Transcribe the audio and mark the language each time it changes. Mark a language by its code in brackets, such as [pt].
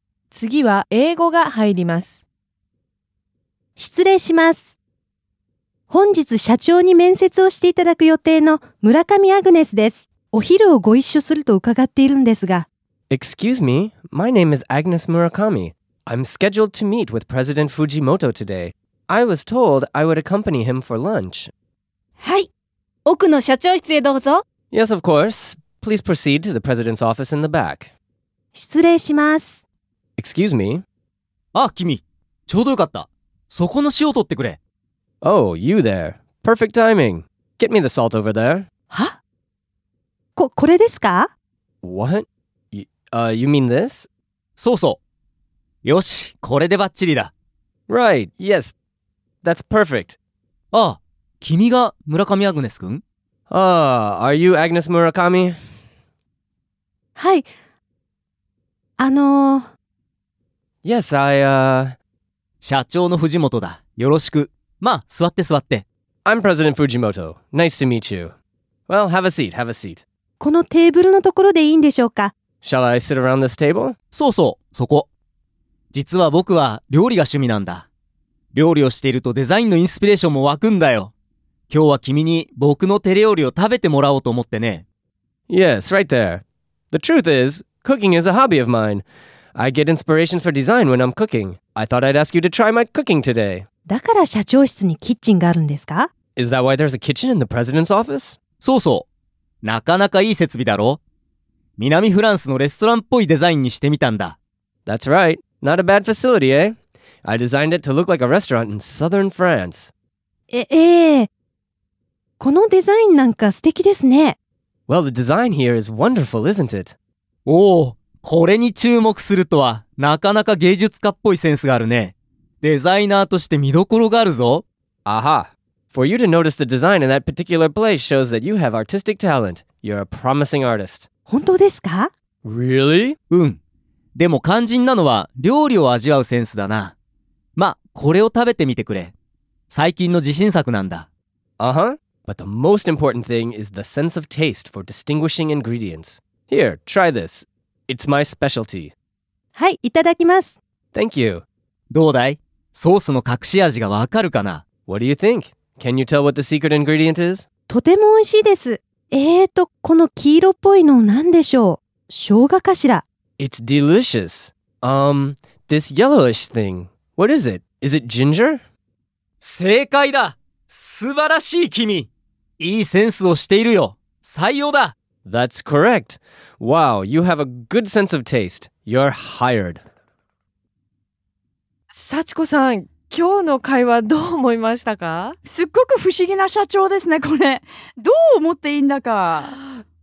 [ja] 次は英語が入ります。失礼します。本日社長に面接をしていただく予定の村上アグネスです。お昼をご一緒すると伺っているんですが。 [en] Excuse me, my name is Agnes Murakami. I'm scheduled to meet with President Fujimoto today. I was told I would accompany him for lunch. [ja] はい、奥の社長室へどうぞ。 [en] Yes, of course. Please proceed to the president's office in the back. [ja] 失礼します。 [en] Excuse me. [ja] あ、君、ちょうどよかった。そこの塩を取ってくれ。 [en] Oh, you there. Perfect timing. Get me the salt over there. [ja] は？これですか？ [en] What? You mean this? [ja] そうそう。よし、これでバッチリだ。 [en] Right, yes. That's perfect. [ja] あ、君が村上アグネス君？ [en] Are you Agnes Murakami? [ja] はい。 [en] Yes, I, [ja] 社長の藤本だ。よろしく。まあ、座って座って。 [en] I'm President Fujimoto. Nice to meet you. Well, have a seat, have a seat. [ja] このテーブルのところでいいんでしょうか？ [en] Shall I sit around this table? [ja] そうそう、そこ。実は僕は料理が趣味なんだ。料理をしているとデザインのインスピレーションも湧くんだよ。今日は君に僕の手料理を食べてもらおうと思ってね。 [en] Yes, right there. The truth is, cooking is a hobby of mine. I get inspirations for design when I'm cooking. I thought I'd ask you to try my cooking today. [ja] だから社長室にキッチンがあるんですか？ [en] Is that why there's a kitchen in the president's office? [ja] そうそう。なかなかいい設備だろ？南フランスのレストランっぽいデザインにしてみたんだ。 [en] That's right. Not a bad facility, eh? I designed it to look like a restaurant in southern France. [ja] このデザインなんか素敵ですね。 [en] Well, the design here is wonderful, isn't it? [ja] おお、これに注目するとは、なかなか芸術家っぽいセンスがあるね。デザイナーとして見どころがあるぞ。 [en] Aha. For you to notice the design in that particular place shows that you have artistic talent. You're a promising artist. [ja] 本当ですか？ [en] Really? [ja] うん。でも肝心なのは料理を味わうセンスだな。ま、これを食べてみてくれ。最近の自信作なんだ。 [en] Aha. But the most important thing is the sense of taste for distinguishing ingredients. Here, try this. It's my specialty. [ja] はい、いただきます。 [en] Thank you. [ja] どうだい？ソースの隠し味がわかるかな？ [en] What do you think? Can you tell what the secret ingredient is? [ja] とても美味しいです。この黄色っぽいの何でしょう？生姜かしら？ [en] It's delicious. This yellowish thing. What is it? Is it ginger? [ja] 正解だ！素晴らしい君！いいセンスをしているよ。採用だ！ [en] That's correct. Wow, you have a good sense of taste. You're hired. [ja] 幸子さん、今日の会話どう思いましたか？すっごく不思議な社長ですね、これ。どう思っていいんだか。